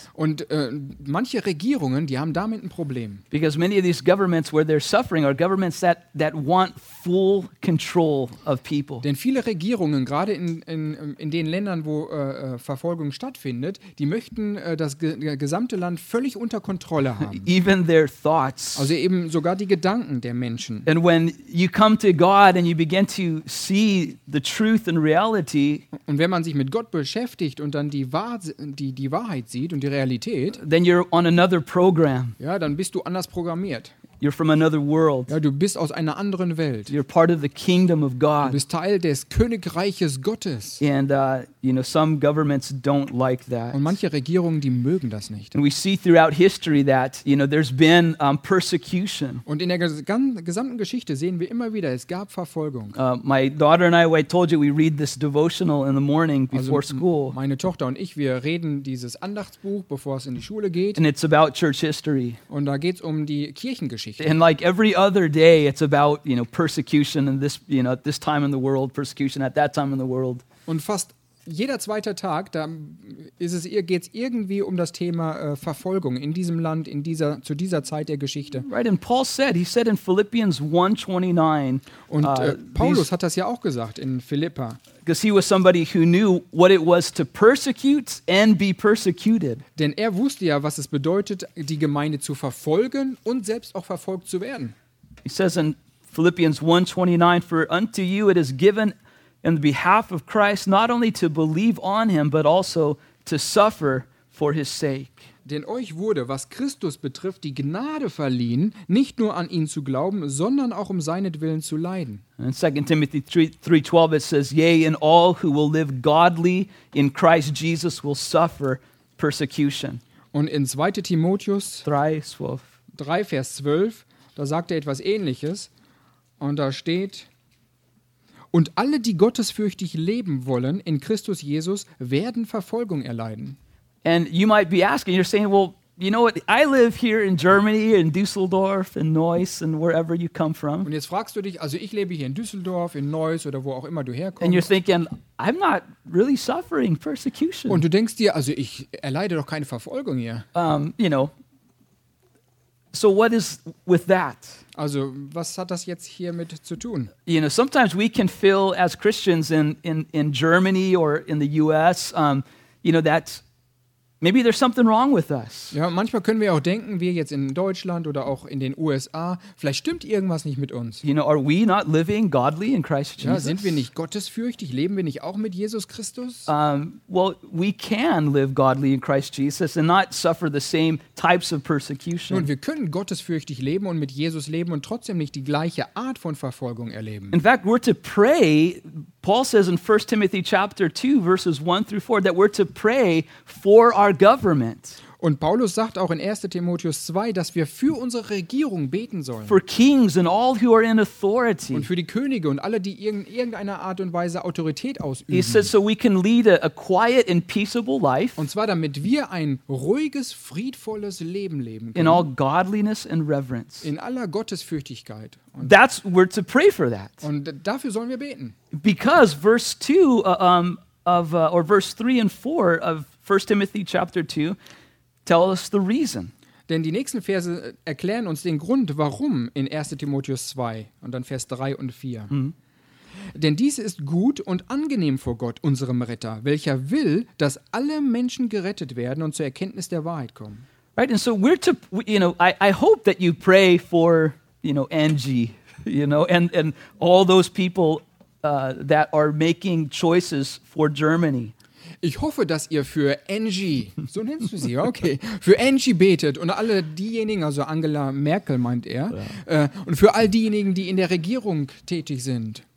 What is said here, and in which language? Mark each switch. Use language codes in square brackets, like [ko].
[de] Und manche Regierungen, die haben damit ein Problem. [en] Because many of these governments where they're suffering are governments that want full control of people. [de] Denn viele Regierungen, gerade in den Ländern, wo Verfolgung stattfindet, die möchten das gesamte Land völlig unter Kontrolle haben. [en] Even their thoughts. [de] Also eben sogar die Gedanken der Menschen. [en] And when you come to God and you begin to see the truth and reality. [de] Und wenn man sich mit Gott beschäftigt und dann die Wahrheit sieht und die Realität, [en] then you're on another program. [de] Ja, dann bist du anders programmiert. [en] You're from another world. [de] Ja, du bist aus einer anderen Welt. [en] You're part of the kingdom of God. [de] Du bist Teil des Königreiches Gottes. [en] And you know, some governments don't like that. [de] Und manche Regierungen, die mögen das nicht. [en] And we see throughout history that, you know, there's been persecution. [de] Und in der gesamten Geschichte sehen wir immer wieder, es gab Verfolgung. [en] My daughter and I told you we read this devotional in the morning before school. [de] Meine Tochter und ich, wir reden dieses Andachtsbuch, bevor es in die Schule geht. [en] And it's about church history. [de] Und da geht's um die Kirchengeschichte. [en] And like every other day, it's about, you know, persecution and this, you know, at this time in the world, persecution at that time in the world. [de] Und fast jeder zweite Tag, da geht's irgendwie um das Thema Verfolgung in diesem Land, zu dieser Zeit der Geschichte. [en] Right, and Paul said, he said in Philippians 1:29. [de] Und Paulus hat das ja auch gesagt in Philippa. [en] Because he was somebody who knew what it was to persecute and be persecuted. [de] Denn er wusste ja, was es bedeutet, die Gemeinde zu verfolgen und selbst auch verfolgt zu werden. [en] He says in Philippians 1:29, for unto you it is given in the behalf of Christ not only to believe on him, but also to suffer for his sake. [de] Denn euch wurde, was Christus betrifft, die Gnade verliehen, nicht nur an ihn zu glauben, sondern auch um seinetwillen zu leiden. [en] In 2 Timothy 3:12 it says, yea, and all who will live godly in Christ Jesus will suffer persecution. [de] Und in 2. Timotheus 3, Vers 12, da sagt er etwas Ähnliches. Und da steht, und alle, die gottesfürchtig leben wollen in Christus Jesus, werden Verfolgung erleiden. [en] And you might be asking, you're saying, well, you know what, I live here in Germany, in Düsseldorf, in Neuss, and wherever you come from. [de] Und jetzt fragst du dich, also ich lebe hier in Düsseldorf, in Neuss, oder wo auch immer du herkommst. [en] And you're thinking, I'm not really suffering persecution. [de] Und du denkst dir, also ich erleide doch keine Verfolgung hier. [en] You know, so what is with that? [de] Also, was hat das jetzt hiermit zu tun? [en] You know, sometimes we can feel as Christians in Germany or in the US, you know, that's, maybe there's something wrong with us. [de] Ja, manchmal können wir auch denken, wir jetzt in Deutschland oder auch in den USA, vielleicht stimmt irgendwas nicht mit uns. [en] You know, are we not living godly in Christ Jesus? [de] Ja, sind wir nicht gottesfürchtig? Leben wir nicht auch mit Jesus Christus? [en] Well, we can live godly in Christ Jesus and not suffer the same types of persecution. [de] Und wir können gottesfürchtig leben und mit Jesus leben und trotzdem nicht die gleiche Art von Verfolgung erleben. [en] In fact, we're to pray. Paul says in 1 Timothy chapter 2 verses 1 through 4 that we're to pray for our government. [de] Und Paulus sagt auch in 1. Timotheus 2, dass wir für unsere Regierung beten sollen. [en] For kings and all who are in authority. [de] Und für die Könige und alle, die irgendeiner Art und Weise Autorität ausüben. [en] He says, so we can lead a quiet and peaceable life. [de] Und zwar damit wir ein ruhiges, friedvolles Leben leben können. [en] In all godliness and reverence. [de] In aller Gottesfürchtigkeit. [en] Und that's we're to pray for that. [de] Und dafür sollen wir beten. [en] Because verse 3 and 4 of 1 Timothy chapter 2 tell us the reason. [de] Denn die nächsten Verse erklären uns den Grund, warum in 1. Timotheus 2 und dann Vers 3 und 4. Mm-hmm. Denn dies ist gut und angenehm vor Gott, unserem Retter, welcher will, dass alle Menschen gerettet werden und zur Erkenntnis der Wahrheit kommen. [en] Right, and so we're to, you know, I hope that you pray for, you know, Angie, you know, and all those people that are making choices for Germany. [de] Ich hoffe, dass ihr für Angie, so nennst du sie, okay, für Angie betet und alle diejenigen, also Angela Merkel meint er, und für all diejenigen, die in der Regierung tätig sind.